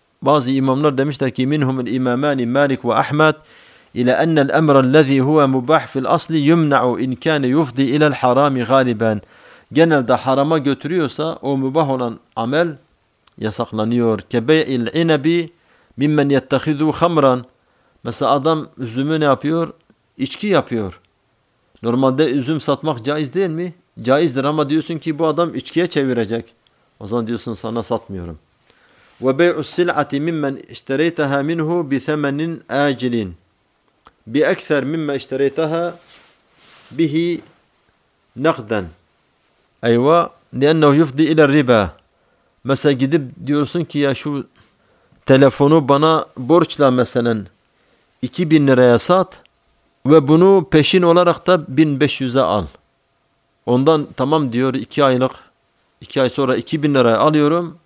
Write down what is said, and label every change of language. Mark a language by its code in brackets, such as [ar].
[tr] Bazı imamlar demişler ki [ar] مِنْهُمْ الْاِمَامَانِ مَالِكُ وَاَحْمَدُ اِلَى اَنَّ الْاَمْرَ الَّذ۪ي هُوَ مُبَحْ فِي الْاَصْلِ يُمْنَعُ اِنْ كَانَ يُفْضِي اِلَى الْحَرَامِ غَالِبًا. [tr] Genelde harama götürüyorsa o mübah olan amel yasaklanıyor. [ar] Kebe'il inebi mimmen yettehizu hamran. [tr] Mesela adam üzümü ne yapıyor? İçki yapıyor. Normalde üzüm satmak caiz değil mi? Caizdir ama diyorsun ki bu adam içkiye çevirecek. O zaman diyorsun sana satmıyorum. [ar] Ve bey'us sil'ati mimmen iştereytaha minhu bi themenin acilin. Bi ekser mimme iştereytaha bihi nakden. Eyva, لأنه يفضي إلى الربا. [tr] Mesela gidip diyorsun ki ya şu telefonu bana borçla mesela 2000 liraya sat ve bunu peşin olarak da 1500'e al. Ondan tamam diyor, 2 aylık, 2 ay sonra 2000 liraya alıyorum.